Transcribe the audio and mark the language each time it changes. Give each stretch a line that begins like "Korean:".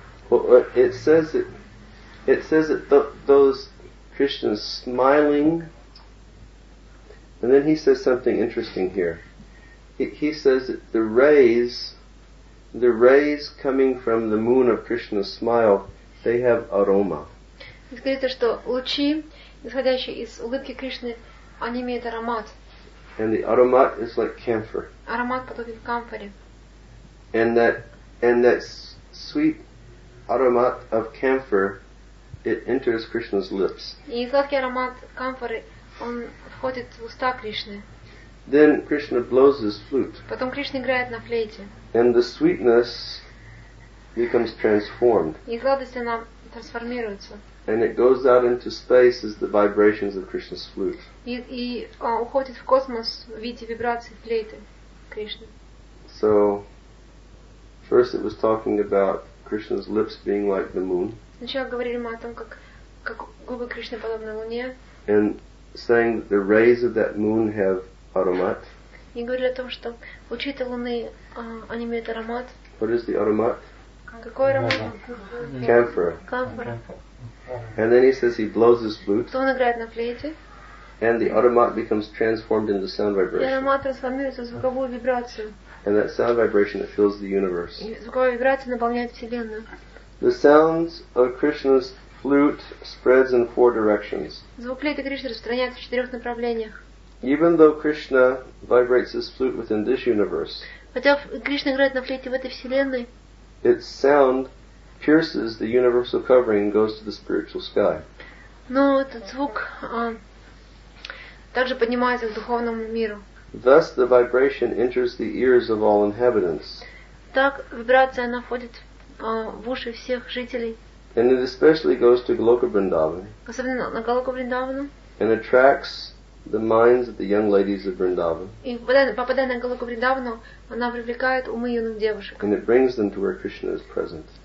English: It says that those Krishna is smiling. And then he says something interesting here. He says that the rays coming from the moon of Krishna's smile, they have aroma.
Russian: Здесь говорится, что лучи, исходящие из улыбки Кришны, они имеют аромат.
English: And the aromat is like camphor.
Russian: Аромат подобен камфоре.
English: And that sweet aromat of camphor, it enters Krishna's lips.
Russian: И сладкий аромат камфоры, он входит в уста Кришны.
English: Then Krishna blows his flute.
Russian: Потом Кришна играет на флейте.
English: And the sweetness becomes transformed.
Russian: И сладость она трансформируется.
English: And it goes out into space as the vibrations of Krishna's flute.
Russian: И уходит в космос в виде вибраций флейты Кришны.
English: So, first it was talking about Krishna's lips being like the moon.
Russian: Сначала говорили мы о том, как губы Кришны подобны луне.
English: And saying that the rays of that moon have aromat.
Russian: И говорили о том, что лучи этой луны, они имеют аромат.
English: What is the aromat?
Russian: Какой аромат?
English: Camphor. Camphor. And then he says he blows his flute.
Russian: Потом он играет на флейте.
English: And the aromat becomes transformed into sound vibration.
Russian: И аромат трансформируется в звуковую вибрацию.
English: And that sound vibration that fills the universe.
Russian: И звуковая вибрация наполняет вселенную.
English: The sounds of Krishna's flute spreads in four directions.
Russian: Звук флейты Кришны распространяется в четырех направлениях.
English: Even though Krishna vibrates his flute within this universe,
Russian: хотя Кришна играет на флейте в этой вселенной,
English: its sound pierces the universal covering and goes to the spiritual sky.
Russian: Но этот звук также поднимается к духовному миру.
English: Thus the vibration enters the ears of all inhabitants.
Russian: Так вибрация она входит в уши всех жителей.
English: And it especially goes to Goloka Vrindavan.
Russian: Особенно на Голоку Вриндавану.
English: And attracts the minds of the young ladies of Vrindavan.
Russian: И попадая на Голоку Вриндавану, она привлекает умы юных девушек.
English: And it brings them to where Krishna is present.